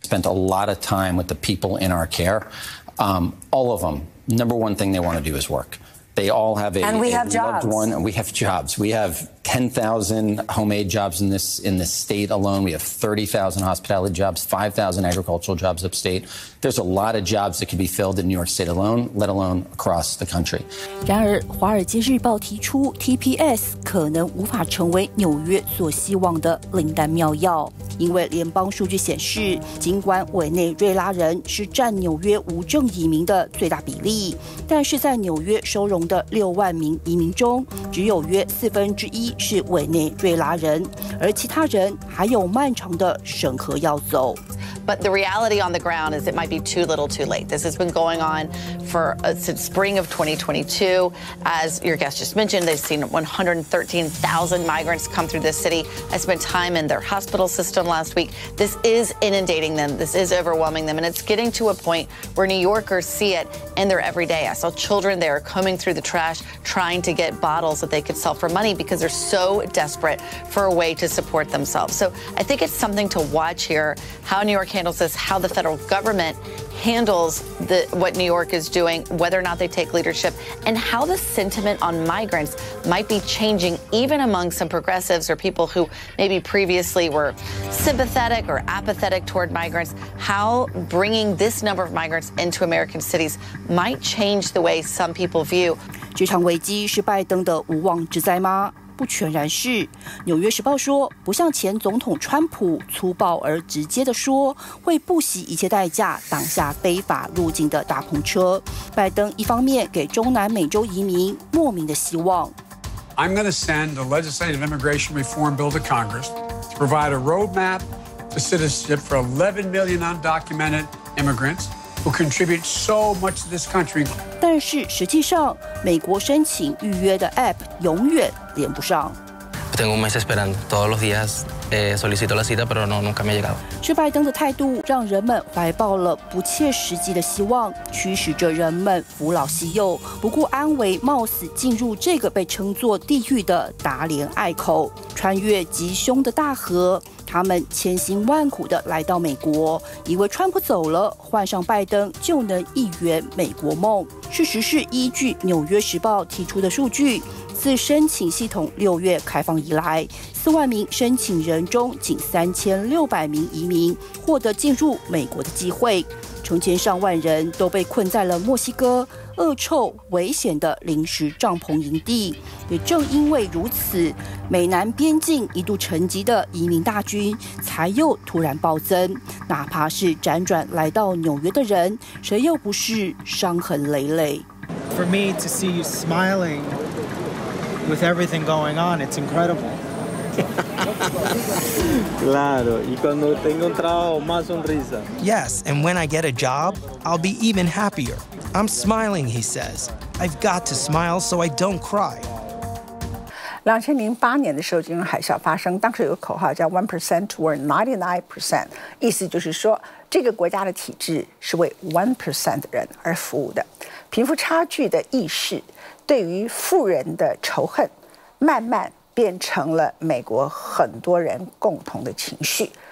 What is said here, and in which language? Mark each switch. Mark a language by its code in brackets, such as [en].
[en] Spent a lot of time with the people in our care. All of them, number one thing they want to do is work. They all have a loved one. We have jobs. We have 10,000 homemade jobs in this state alone. We have 30,000 hospitality jobs, 5,000 agricultural jobs upstate. There's a lot of jobs that could be filled in New York State alone, let alone across the country. [zh] 然而，《华尔街日报》提出 TPS 可能无法成为纽约所希望的灵丹妙药，因为联邦数据显示，尽管委内瑞拉人是占纽约无证移民的最大比例，但是在纽约收容的60,000名移民中，只有约1/4是委内瑞拉人，而其他人还有漫长的审核要走。 [en] But the reality on the ground is it might be too little too late. This has been going on since spring of 2022. As your guest just mentioned, they've seen 113,000 migrants come through this city. I spent time in their hospital system last week. This is inundating them. This is overwhelming them. And it's getting to a point where New Yorkers see it in their everyday. I saw children there combing through the trash, trying to get bottles that they could sell for money because they're so desperate for a way to support themselves. So I think it's something to watch here, how New York handles this, how the federal government handles the, what New York is doing, whether or not they take leadership, and how the sentiment on migrants might be changing even among some progressives or people who maybe previously were sympathetic or apathetic toward migrants, how bringing this number of migrants into American cities might change the way some people view. [zh] 这场危机是拜登的无妄之灾吗？不全然是。纽约时报说，不像前总统川普粗暴而直接地说会不惜一切代价挡下非法入境的大篷车，拜登一方面给中南美洲移民莫名的希望。 [en] I'm going to send a legislative immigration reform bill to Congress to provide a roadmap to citizenship for 11 million undocumented immigrants who contribute so much to this country. [zh] 但是实际上，美国申请预约的 APP 永远连不上。 [es] Tengo un mes esperando todos los días, solicito la cita, pero no, nunca me ha llegado. [zh] 是拜登的态度让人们怀抱了不切实际的希望，驱使着人们扶老携幼，不顾安危，冒死进入这个被称作地狱的达连隘口，穿越极凶的大河。他们千辛万苦地来到美国，以为川普走了，换上拜登就能一圆美国梦。事实是，依据《纽约时报》提出的数据，自申请系统六月开放以来，四万名申请人中仅3600名移民获得进入美国的机会，成千上万人都被困在了墨西哥恶臭危险的临时帐篷营地。也正因为如此，美南边境一度沉寂的移民大军才又突然暴增，哪怕是辗转来到纽约的人，谁又不是伤痕累累。 [en] For me to see you smiling with everything going on, it's incredible. [es] Claro, y cuando tengo un trabajo, más sonrisa. [en] Yes, and when I get a job, I'll be even happier. I'm smiling, he says. I've got to smile so I don't cry. [zh] 2008年的时候，金融海啸发生，当时有个口号叫 [en] 1% toward 99%， [zh] 意思就是说，这个国家的体制是为 1% 的人而服务的。贫富差距的意识，对于富人的仇恨，慢慢变成了美国很多人共同的情绪。